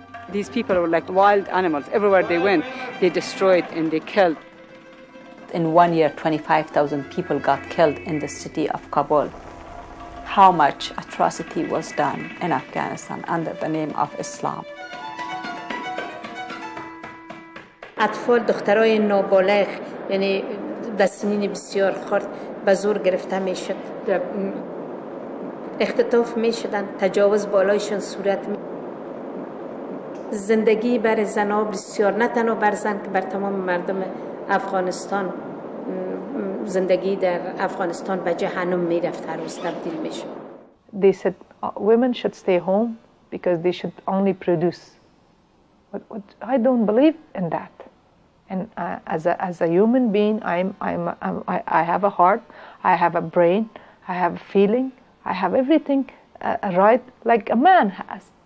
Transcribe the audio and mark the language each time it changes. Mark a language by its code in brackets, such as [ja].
[en] These people were like wild animals. Everywhere they went, they destroyed and they killed. In 1 year, 25,000 people got killed in the city of Kabul. How much atrocity was done in Afghanistan under the name of Islam? [fa] اطفال دخترای نابالغ یعنی بسنین بسیار خرد به زور گرفته میشد اختطاف میشدند تجاوز بالایشان صورت می زندگی بر زنا بسیار نه تنها بر زن که بر تمام مردم افغانستان زندگی در افغانستان به جهنم می رفت هر روز تبدیل می شد [en] They said women should stay home because they should only produce but I don't believe in that And as a human being, I have a heart, I have a brain, I have a feeling, I have everything right like a man has.